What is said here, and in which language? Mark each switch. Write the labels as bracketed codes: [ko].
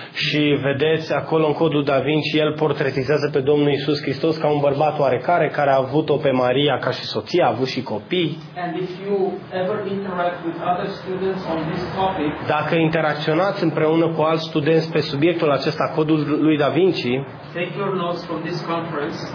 [ro] Și vedeți acolo în codul Da Vinci, el portretizează pe Domnul Iisus Hristos ca un bărbat oarecare care a avut-o pe Maria ca și soție, a avut și copii. [en] And if you ever interact with other students on this topic, [ro] dacă interacționați împreună cu alți studenți pe subiectul acesta, codul lui Da Vinci, [en] take your notes from this conference.